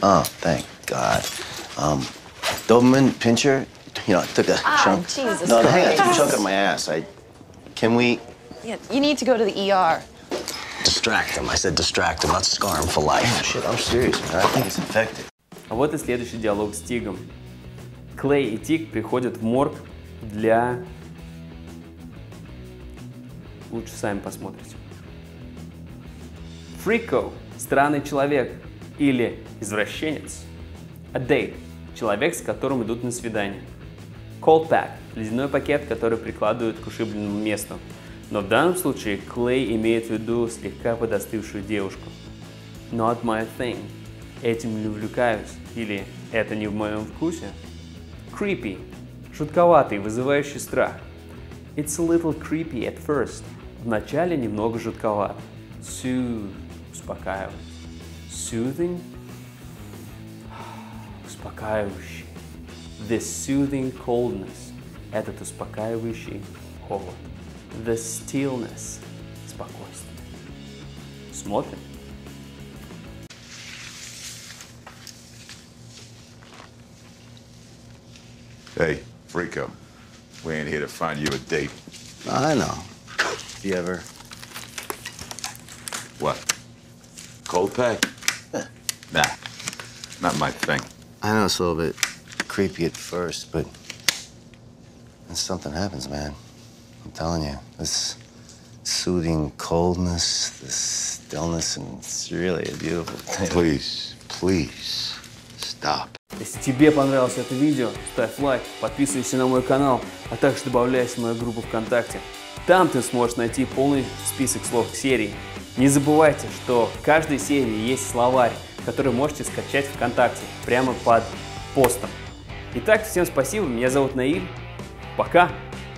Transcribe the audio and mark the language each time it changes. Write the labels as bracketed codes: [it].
[en] Oh, thank God. Doberman Pinscher, you know, took a chunk. Jesus Christ. No, hang on, took a chunk of my ass. Can we? Yeah, you need to go to the ER. Distract him. I said distract him, not scar him for life. Oh, shit, I'm serious, man. I think it's infected. [ru] А вот и следующий диалог с Тигом. Клей и Тиг приходят в морг для... Лучше сами посмотрите. Фрико – странный человек или извращенец. A date – человек, с которым идут на свидание. Cold pack – ледяной пакет, который прикладывают к ушибленному месту. Но в данном случае Клей имеет в виду слегка подостывшую девушку. [en] Not my thing. [ru] Этим не увлекаюсь. Или это не в моем вкусе. [en] Creepy. [ru] Жутковатый, вызывающий страх. [en] It's a little creepy at first. [ru] Вначале немного жутковат. [en] Soothe. [ru] успокаивать. Soothing. Успокаивающий. [en] The soothing coldness. [ru] Этот успокаивающий холод. [en] The stillness. [ru] Спокойствие. Смотрим. [en] Hey, Freako. We ain't here to find you a date. I know. If you ever... What? Cold pack? Nah. Not my thing. I know it's a little bit creepy at first, but... when something happens, man, I'm telling you, this soothing coldness, this stillness, and it's really a beautiful thing. Please, please, stop. [ru] Если тебе понравилось это видео, ставь лайк, подписывайся на мой канал, а также добавляйся в мою группу ВКонтакте. Там ты сможешь найти полный список слов к серии. Не забывайте, что в каждой серии есть словарь, который можете скачать ВКонтакте прямо под постом. Итак, всем спасибо, меня зовут Наиль. Пока!